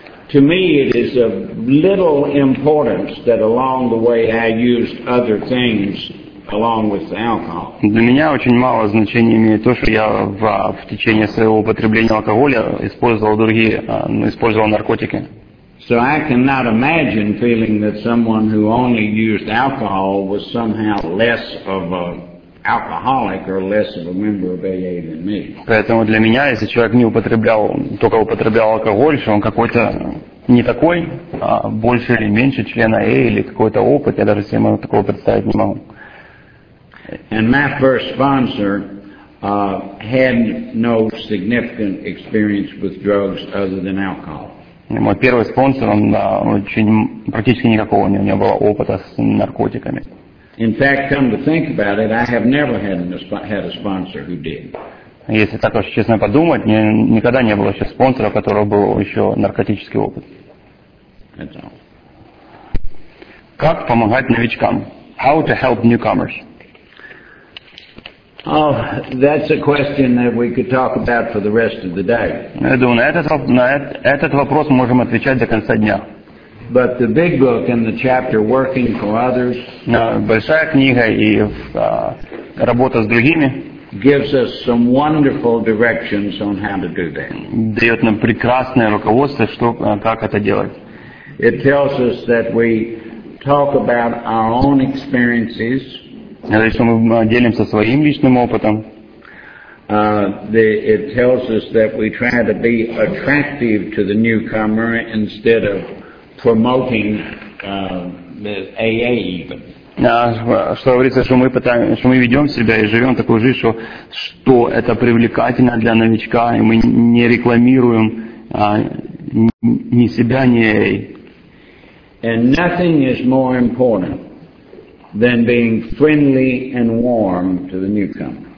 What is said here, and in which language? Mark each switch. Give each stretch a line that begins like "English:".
English: To me, it is of little importance that along the way I used other things along with the alcohol.
Russian: Для меня очень мало значения имеет то, что я в течение своего употребления алкоголя использовал наркотики.
English: So I cannot imagine feeling that someone who only used alcohol was somehow less of a alcoholic or less of a member of AA than me.
Russian: Поэтому для меня, если человек не употреблял, только употреблял алкоголь, что он какой-то не такой, а больше или меньше члена AA или какой-то опыт, я даже себе такого представить не могу.
English: And my first sponsor had no significant experience with drugs other than alcohol.
Russian: Мой первый спонсор, он практически никакого у него было опыта с наркотиками.
English: In fact, come to think about it, I have never had a sponsor who did.
Russian: Если так уж честно подумать, мне никогда не было еще спонсора, у которого был еще наркотический опыт.
English: That's all.
Russian: Как помогать новичкам?
English: How to help newcomers? Oh, that's a question that we could talk about for the rest of the day.
Russian: Я думаю, на этот вопрос мы можем отвечать до конца дня.
English: But the big book and the chapter working for others.
Russian: Большая книга и работа с другими.
English: Gives us some wonderful directions on how to do that.
Russian: Дает нам прекрасное руководство, что как это делать.
English: It tells us that we talk about our own experiences.
Russian: То есть мы делимся своим личным опытом.
English: It tells us that we try to be attractive to the newcomer instead of promoting AA even.
Russian: Что говорится, что мы пытаемся, что мы ведем себя и живем такую жизнь, что, что это привлекательно для новичка, и мы не рекламируем ни себя, ни эй.
English: And nothing is more important than being friendly and warm to the newcomer.